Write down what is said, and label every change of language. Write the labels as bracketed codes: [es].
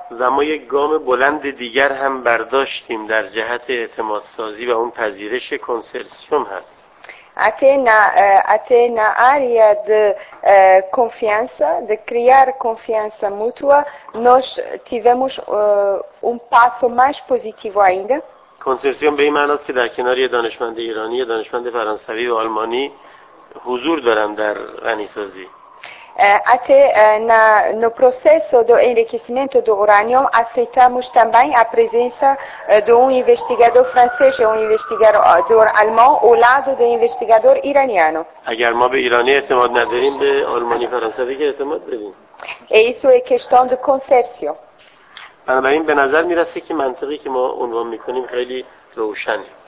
[fa] زمای گام بلند دیگر هم برداشتیم در جهت اعتماد سازی و اون پذیرش کنسرسیوم هست. [pt] Até na área de confiança, de criar confiança mútua, nós tivemos um passo mais positivo ainda. [fa] Consortium به این معناست که در کنار یه دانشمند ایرانی، دانشمند فرانسوی و آلمانی حضور دارم در غنی‌سازی. [pt] Até no processo do enriquecimento do urânio, aceitamos também a presença de um investigador francês e um investigador alemão ao lado do investigador iraniano. [fa] اگر ما به ایرانی اعتماد نداریم به آلمانی فرانسوی که اعتماد داریم. [pt] E isso é questão de consórcio. [fa] بنابراین به نظر میرسه که منطقی که ما عنوان میکنیم خیلی روشنه.